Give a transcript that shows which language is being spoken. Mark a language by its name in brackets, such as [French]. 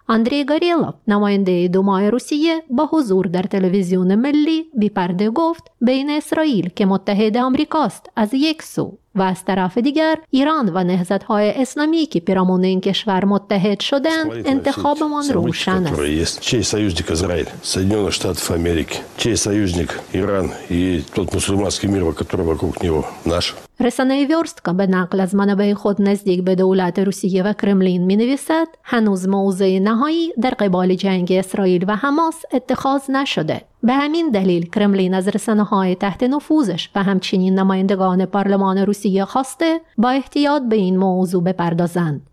[Persian] آندری گاریلوف، نماینده دومای روسیه، با حضور در تلویزیون ملی بی‌پرده گفت بین اسرائیل که متحد آمریکاست از یک سو و از طرف دیگر ایران و نهضت‌های اسلامی که پیرامون این کشور متحد شدند انتخابمان روشن است. [Russian] چه союзник Израиль, Соединённые Штаты Америки, чей союзник Иран и тот мусульманский мир, который вокруг него наш. [Persian] رسانه ویورستکا به نقل از منابع خود نزدیک به دولت روسیه و کرملین می نویسد هنوز موضع نهایی در قبال جنگ اسرائیل و حماس اتخاذ نشده. به همین دلیل کرملین از رسانه های تحت نفوذش و همچنین نمایندگان پارلمان روسیه خواسته با احتیاط به این موضوع بپردازند.